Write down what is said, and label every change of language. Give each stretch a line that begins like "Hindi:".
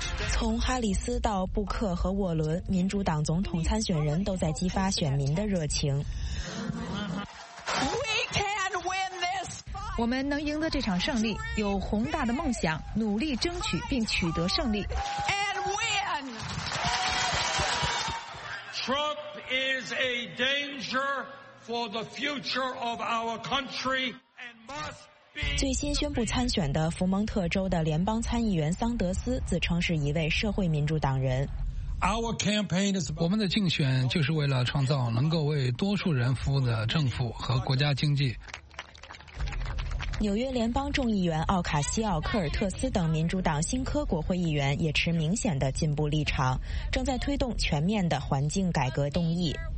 Chinese: 从哈里斯到布克和沃伦，民主党总统参选人都在激发选民的热情。我们能赢得这场胜利，有宏大的梦想，努力争取并取得胜利。
English: And win! Trump is a danger for the future of our country and must...
Chinese: 最新宣布参选的福蒙特州的联邦参议员桑德斯自称是一位社会民主党人。我们的竞选就是为了创造能够为多数人服务的政府和国家经济。纽约联邦众议员奥卡西奥科尔特斯等民主党新科国会议员也持明显的进步立场，正在推动全面的环境改革动议。